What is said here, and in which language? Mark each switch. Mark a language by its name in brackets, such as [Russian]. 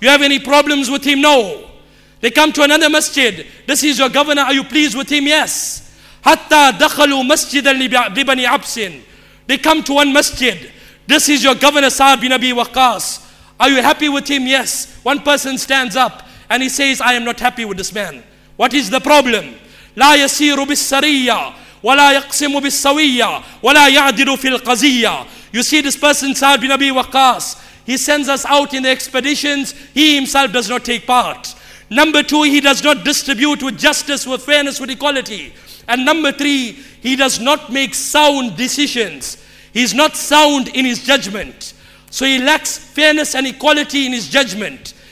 [English] You have any problems with him? No. They come to another masjid. This is your governor. Are you pleased with him? Yes. [Arabic] Hatta dakhalu masjidan li bani Absin. [English] They come to one masjid. This is your governor, Sa'd bin Abi Waqqas. Are you happy with him? Yes. One person stands up and he says, I am not happy with this man. What is the problem? [Arabic] لا يسير بالسرية ولا يقسم بالسوية ولا يعدل في القزية. [English] You see this person, Sa'd bin Abi Waqqas. He sends us out in the expeditions. He himself does not take part. Number two, he does not distribute with justice, with fairness, with equality. And number three, he does not make sound decisions. He's not sound in his judgment. So he lacks fairness and equality in his judgment.